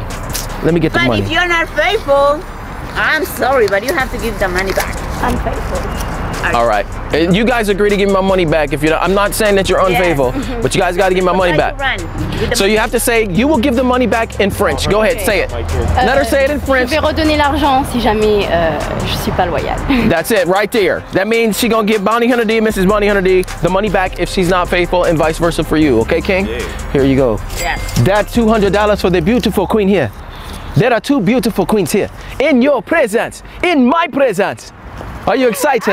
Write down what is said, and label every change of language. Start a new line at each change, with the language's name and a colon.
English: But if you're not faithful, I'm sorry, but you have to give the money back. I'm faithful. All right. You guys agree to give me my money back. I'm not saying that you're unfaithful, but you guys got to give my money back. So you have to say, you will give the money back in French. Go ahead, say it. Let her say it in French.
French: Je vais redonner l'argent si jamais je suis pas loyale.
English: That's it, right there. That means she's going to give Bounty Hunter D, Mrs. Bounty Hunter D, the money back if she's not faithful and vice versa for you. Okay, King? Here you go. That's $200 for the beautiful queen here. There are two beautiful queens here. In your presence. In my presence. Are you excited?